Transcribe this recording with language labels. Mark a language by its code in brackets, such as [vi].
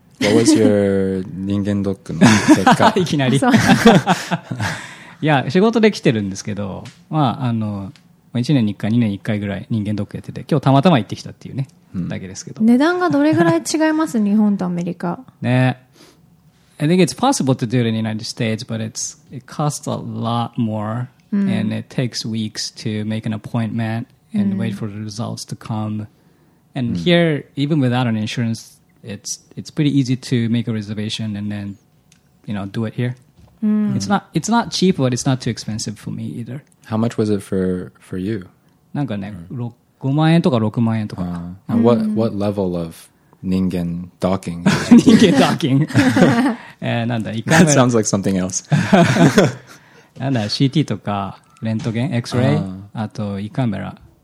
[en] What was your [ja] 人間ドックの結果いきなりいや、仕事で来てるんですけど、まあ1年に1回2年に1回ぐらい人間ドックやってて、今日たまたま行ってきたっていうね、うん、だけですけど。値段がどれぐらい違います？日本とアメリカね。 [en] I think it's possible to do it in the United States, but it costs a lot more、うん、and it takes weeks to make an appointment and、うん、wait for the results to come. And、うん、here, even without an insurance, it's pretty easy to make a reservation and then, you know, do it here.、うん、 It's not cheap, but it's not too expensive for me either. How much was it for you? [ja] なんかね、5万円とか6万円とか。 [en] And what level of... [ja] 人間ドッキング。人間ドッキング。なんだ、1回目。 [en] That sounds like something else. [ja] なんだ、CT とか、レントゲン、X-ray、あと、胃カメラ。